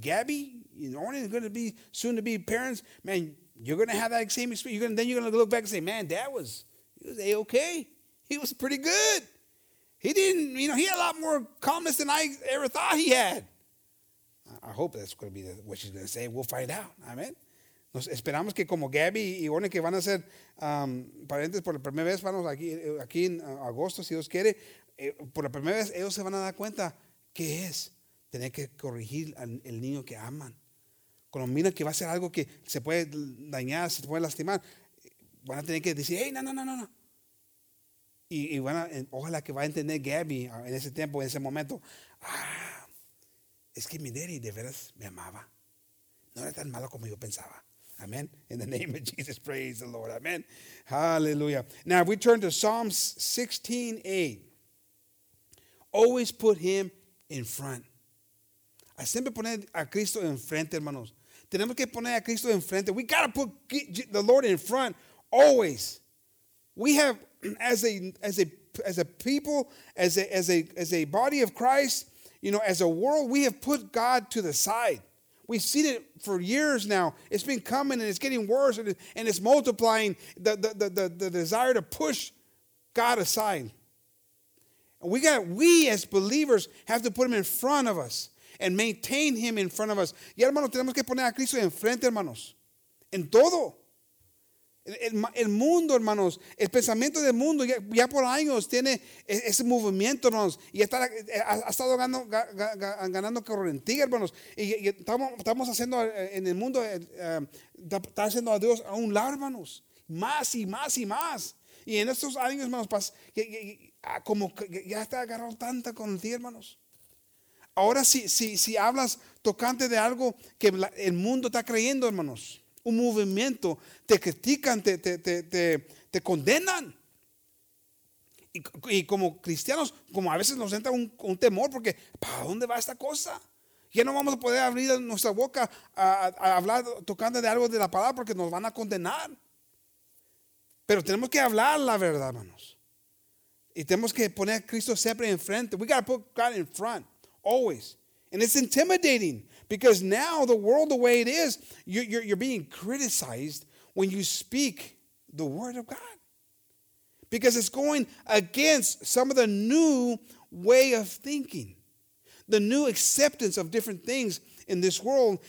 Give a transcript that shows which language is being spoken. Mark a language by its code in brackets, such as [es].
[en] Gabby, you know, Orin is going to be soon to be parents. Man, you're going to have that same experience. You're going to look back and say, man, dad was, he was A-okay. He was pretty good. He didn't, you know, he had a lot more calmness than I ever thought he had. I hope that's going to be what she's going to say. We'll find out. Amen. [es] Nos esperamos que como Gabby y Orne que van a ser parientes por la primera vez, vamos aquí en agosto, si Dios quiere, por la primera vez ellos se van a dar cuenta qué es tener que corregir al niño que aman. Cuando miran que va a ser algo que se puede dañar, se puede lastimar, van a tener que decir, hey, no. Y bueno, ojalá que va a entender Gabby en ese tiempo, en ese momento. Ah, es que mi daddy de veras me amaba. No era tan malo como yo pensaba. [en] Amen. In the name of Jesus, praise the Lord. Amen. Hallelujah. Now, if we turn to Psalms 16:8, always put him in front. [es] A siempre poner a Cristo en frente, hermanos. Tenemos que poner a Cristo en frente. [en] We got to put the Lord in front always. We have... As a people, as a body of Christ, you know, as a world, we have put God to the side. We've seen it for years now. It's been coming and it's getting worse and it's multiplying the desire to push God aside. And we as believers have to put him in front of us and maintain him in front of us. [es] Y hermanos, tenemos que poner a Cristo en frente, hermanos, en todo. El mundo, hermanos, el pensamiento del mundo ya por años tiene ese movimiento, hermanos, y ha estado ganando corriente, hermanos, y estamos haciendo en el mundo, está haciendo a Dios a un lado, hermanos, más y más y más, Y en estos años, hermanos, como que ya te agarraron tanta con ti, hermanos. Ahora, si hablas tocante de algo que el mundo está creyendo, hermanos, un movimiento, te critican, te condenan. Y como cristianos, como a veces nos entra un temor, porque ¿para dónde va esta cosa? Ya no vamos a poder abrir nuestra boca a hablar tocante de algo de la palabra, porque nos van a condenar. Pero tenemos que hablar la verdad, hermanos. Y tenemos que poner a Cristo siempre en frente. [en] We got to put God in front, always. And it's intimidating, because now the world, the way it is, you're being criticized when you speak the word of God. Because it's going against some of the new way of thinking, the new acceptance of different things in this world.